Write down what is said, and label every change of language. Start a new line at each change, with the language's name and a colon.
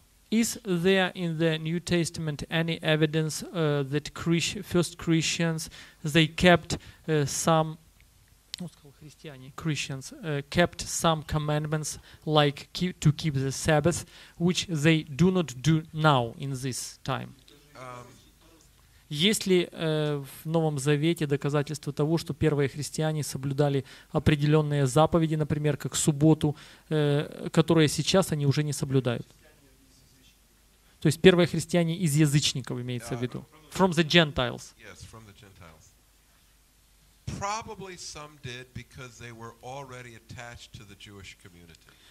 English: Is there in the New Testament any evidence that first Christians they kept some Christians kept some commandments like to keep the Sabbath, which they do not do now in this time?
Russian: Есть ли в Новом Завете доказательства того, что первые христиане соблюдали определенные заповеди, например, как субботу, которые сейчас они уже не соблюдают? То есть первые христиане из язычников имеется в виду.
English: From the Gentiles. Yes, from the Gentiles. Probably some did because they were already attached to the Jewish community.